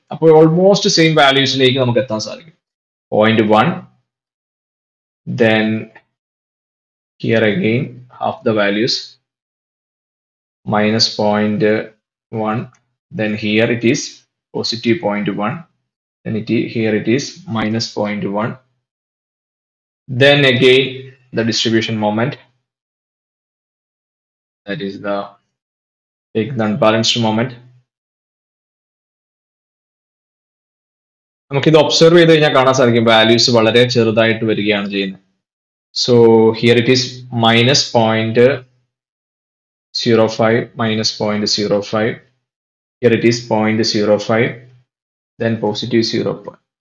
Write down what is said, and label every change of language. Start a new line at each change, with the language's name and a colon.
Malayalam: അപ്പോൾ almost same വാല്യൂസിലേക്ക് നമുക്ക് എത്താൻ സാധിക്കും.
English: 0.1, then here again half the values minus 0.1, then here it is positive 0.1, then it here it is minus 0.1. Then again the distribution moment, that is the take the unbalanced moment.
Malayalam: നമുക്ക് ഇത് observe ചെയ്ത് കഴിഞ്ഞാൽ കാണാൻ സാധിക്കും values വളരെ ചെറുതായിട്ട് വരികയാണ് ചെയ്യുന്നത്.
English: So here it is minus 0.05, minus 0.05, here it is 0.05, then positive 0.05.